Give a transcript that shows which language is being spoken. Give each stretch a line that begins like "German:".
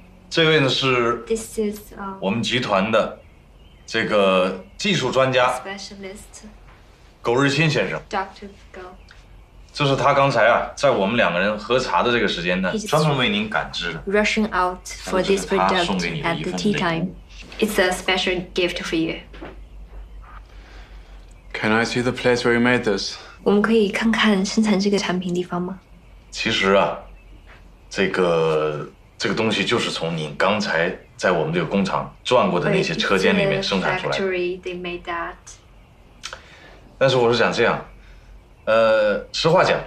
Chinese: 这位呢是
English: This is
Chinese: 我们集团的这个技术专家
English: Specialist
Chinese: 苟日新先生
English: Doctor Go.
Chinese: 这是他刚才啊，在我们两个人喝茶的这个时间呢，专门为您赶制的。
English: Rushing out for this product at the tea time, it's a special gift for you. Can I see the place where you made this?
Chinese: 我们可以看看生产这个产品地方吗？其实啊，这个东西就是从您刚才在我们这个工厂转过的那些车间里面生产出来的。
English: Factory, they made that.
Chinese: 但是我是想这样。实话讲